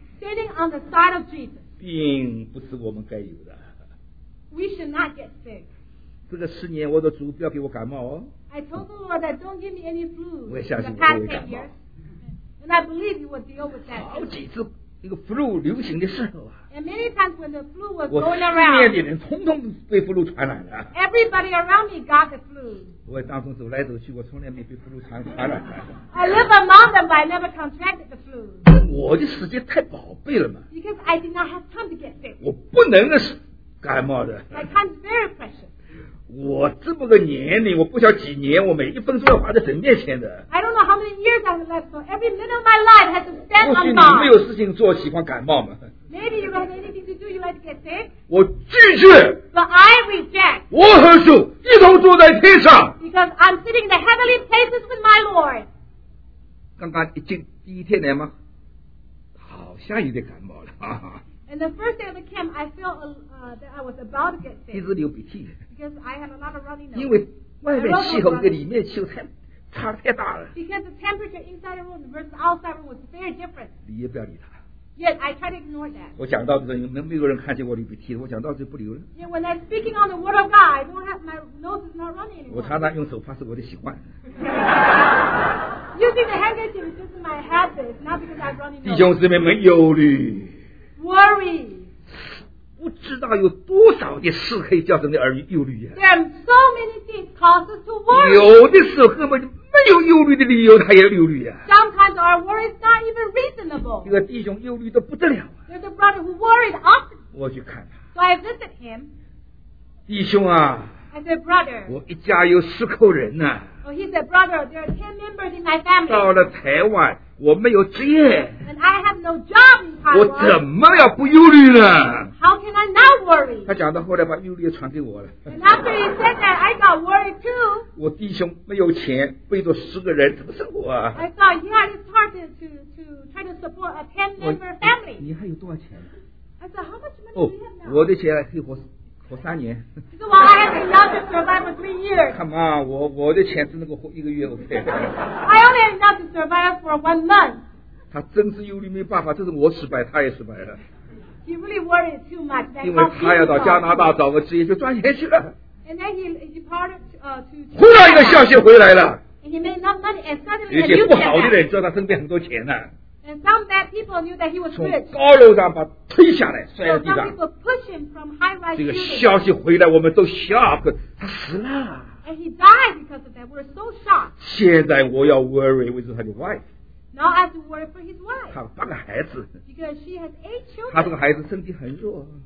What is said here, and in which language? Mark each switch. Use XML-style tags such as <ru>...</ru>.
<en>Standing on the side of Jesus.</en> <zh>病不是我们该有的。</zh> <en>We should not get sick.</en> <zh>这个四年我的主不要给我感冒哦。</zh> <en>I told the Lord that don't give me any flu.</en> <zh>我也相信我会感冒。</zh> <en>And I believe you will deal with that.</en> <zh>好几次。一个 flu 流行的时候啊，</zh> <en>and many times when the flu was going around,</en> <zh>我身边的人统统被 flu 传染了。</zh> <en>Everybody around me got the flu.</en> <zh>我当中走来走去，我从来没被 flu 传染。</zh> <en>I live among them, but I never contracted the flu.</en> <zh>我的时间太宝贝了嘛。</zh> <en>Because I did not have time to get sick.</en> <zh>我不能是感冒的。</zh> <en>My time is very precious.</en> <zh>我这么个年龄，我不晓几年，我每一分钟要花在神面前的。</zh> <en>I don't know how many years I have left, so every minute of my life has to stand on God.</en> <zh>或许你没有事情做，喜欢感冒吗？</zh> <en>Maybe you have anything to do, you like to get sick.</en> <zh>我拒绝。</zh> <en>But I reject.</en> <zh>我和主一同坐在天上。</zh> <en>Because I'm sitting in the heavenly places with my Lord.</en> <zh>刚刚一进第一天来吗？好像有点感冒了。</zh> <en>And the first day of the camp, I felt that I was about to get sick.</en> <zh>一直流鼻涕。</zh> <en>Because I had a lot of running nose.</en> <zh>因为外面气候跟里面气候差太大了。</zh> <en>Because the temperature inside the room versus outside the room was very different.</en> <zh>你也不要理他。</zh> <en>Yet I tried to ignore that.</en> <zh>我讲到这个，没有人看见我流鼻涕，我讲到就不流了。</zh> <en>Yet when I'm speaking on the word of God, I don't have my nose is not running anymore.</en> <zh>我常常用手帕是我的习惯。</zh> <en>Using the handkerchief is just my habit, not because I'm running nose.</en> <zh>弟兄姊妹们，忧虑。</zh> <en>Worry.</en> <zh>不知道有多少的事可以叫人的儿女忧虑呀、啊！</zh> <en>There are so many things causes to worry.</en> <zh>有的时候根本没有忧虑的理由，他也忧虑呀、啊。</zh> <en>Sometimes our worry is not even reasonable.</en> <zh>一个弟兄忧虑的不得了、啊。</zh> <en>There's a brother who worried often.</en> <zh>我去看他。</zh> <en>So I visit him.</en> <zh>弟兄啊</zh> <en>，I said brother.</en> <zh>我一家有十口人呐、啊。</zh> <en>Oh, he said brother, there are 10 members in my family.</en> <zh>到了台湾。我没有职业。</zh> <en>And I have no job in Taiwan.</en> <zh>我怎么要不忧虑呢？</zh> <en>How can I not worry?</en> <zh>他讲到后来把忧虑传给我了。</zh> <en>And after he said that, I got worried too.</en> <zh>我弟兄没有钱，背着十个人怎么生活啊？</zh> <en>I thought, yeah, it's hard to try to support a 10-member family.</en> <zh>你还有多少钱？</zh> <en>I said, how much money do you have now?</en> <zh>我的钱可以活三年。</zh> <en>He said, well, I have enough to survive for 3 years. Come on,</en> <zh>我的钱只能够活一个月 ,OK.</zh> <en>I only have enough to survive for 1 month.</en> <zh>他真是忧虑没办法，这是我失败，他也失败了。</zh> <en>He really worried too much.</en> <zh>因为他要到加拿大找个职业就赚钱去了。</zh> <en>And then he departed to</en> <zh>忽然一个消息回来了。</zh> <en>And he made enough money and suddenly</en> <zh>有些不好的人知道他身边很多钱呢、啊。</zh> <en>And some bad people knew that he was rich.</en> <zh>从高楼上把推下来，摔在地上。</zh> <en>So some people push him from high-rise buildings.</en> <zh>这个消息回来，我们都 shock. 他死了。</zh> <en>And he died because of that. We're so shocked.</en> <zh>现在我要</zh> <en>worry with his wife. Now I have to worry for his wife.</en> <zh>他八个孩子。</zh> <en>Because she has 8 children.</en> <zh>他这个孩子身体很弱。</zh>